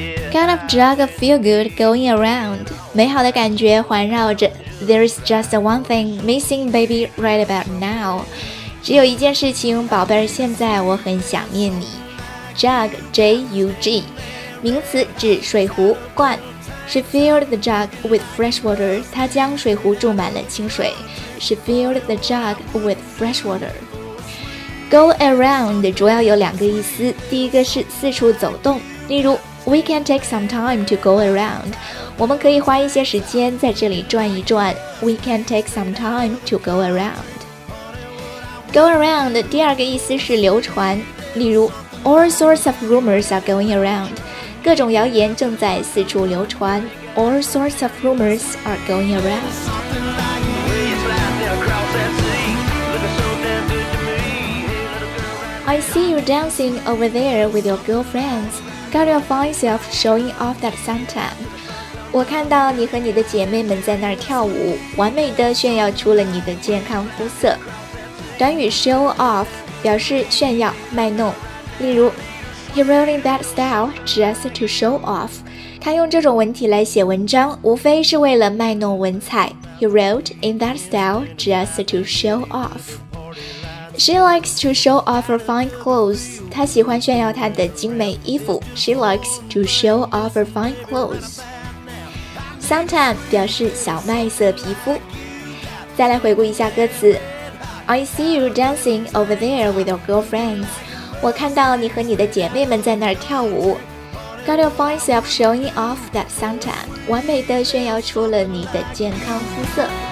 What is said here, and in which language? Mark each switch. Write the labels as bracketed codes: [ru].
[en] Kind of drug of feel good going around， [zh] 美好的感觉环绕着。 [en] There is just one thing missing baby right about now， [zh] 只有一件事情宝贝儿，现在我很想念你。 Jug J-U-G 名词，指水壶罐。 [en] She filled the jug with fresh water， [zh] 她将水壶注满了清水。 [en] She filled the jug with fresh water。 [zh] Go around 主要有两个意思，第一个是四处走动，例如 [en] We can take some time to go around， [zh] 我们可以花一些时间在这里转一转。 [en] We can take some time to go around。 [zh] Go around 第二个意思是流传，例如 [en] All sorts of rumors are going around， [zh] 各种谣言正在四处流传。 [en] All sorts of rumors are going aroundI see you dancing over there with your girlfriends. Got to find yourself showing off that suntan. [zh] 我看到你和你的姐妹们在那儿跳舞，完美的炫耀出了你的健康肤色。短语 show off 表示炫耀、卖弄。例如 [en] ，He wrote in that style just to show off. [zh] 他用这种文体来写文章，无非是为了卖弄文采。 [en] He wrote in that style just to show off. She likes to show off her fine clothes. [zh] 她喜欢炫耀她的精美衣服。 [en] She likes to show off her fine clothes. [zh] Suntan 表示小麦色皮肤。再来回顾一下歌词。 [en] I see you dancing over there with your girlfriends. [zh] 我看到你和你的姐妹们在那儿跳舞。 [en] Got your fine self showing off that suntan. [zh] 完美地炫耀出了你的健康肤色。